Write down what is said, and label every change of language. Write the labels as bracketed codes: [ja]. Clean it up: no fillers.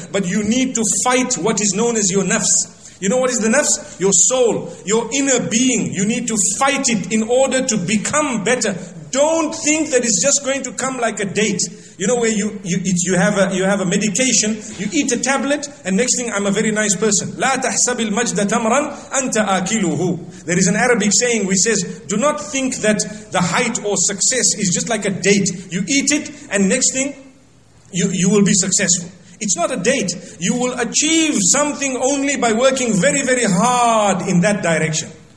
[en] But you need to fight what is known as your nafs. You know what is the nafs? Your soul, your inner being. You need to fight it in order to become better. Don't think that it's just going to come like a date. You know where you have a medication, you eat a tablet, and next thing I'm a very nice person. [ar] لا تحسب المجد تمرًا أنت آكله. [en] There is an Arabic saying which says, do not think that the height or success is just like a date. You eat it, and next thing, you will be successful. It's not a date. You will achieve something only by working very, very hard in that direction.